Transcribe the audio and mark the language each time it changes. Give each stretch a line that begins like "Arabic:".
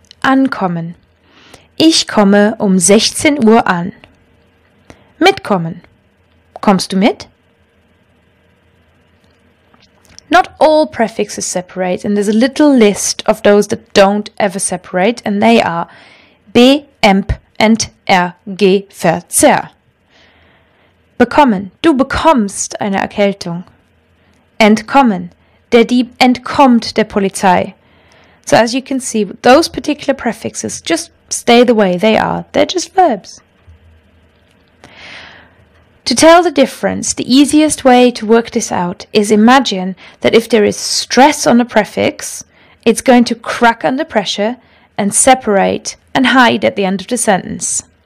German: Ankommen. Ich komme um 16 Uhr an. Mitkommen. Kommst du mit?
English: Not all prefixes separate, and there's a little list of those that don't ever separate, and they are beemp and ergverzehr.
German: Bekommen. Du bekommst eine Erkältung. Entkommen. Der Dieb entkommt der Polizei.
English: So as you can see, those particular prefixes just stay the way they are. They're just verbs. To tell the difference, the easiest way to work this out is imagine that if there is stress on a prefix, it's going to crack under pressure and separate and hide at the end of the sentence.